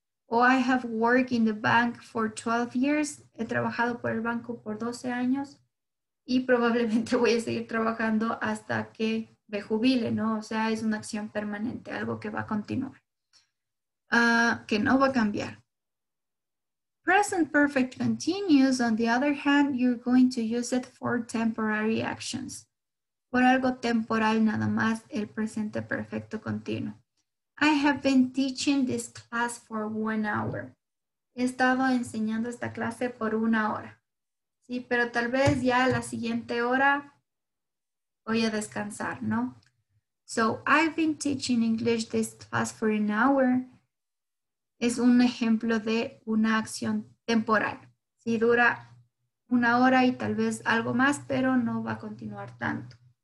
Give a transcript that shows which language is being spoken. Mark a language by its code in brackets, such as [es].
[en] O I have worked in the bank for 12 years. [es] He trabajado por el banco por 12 años. Y probablemente voy a seguir trabajando hasta que me jubile, ¿no? O sea, es una acción permanente, algo que va a continuar. Que no va a cambiar. [en] Present perfect continuous, on the other hand, you're going to use it for temporary actions. [es] Por algo temporal nada más, el presente perfecto continuo. [en] I have been teaching this class for 1 hour. [es] He estado enseñando esta clase por 1 hora. Sí, pero tal vez ya la siguiente hora voy a descansar, ¿no? [en] So, I've been teaching English this class for 1 hour. [es] Es un ejemplo de una acción temporal. Sí, dura 1 hora y tal vez algo más, pero no va a continuar tanto.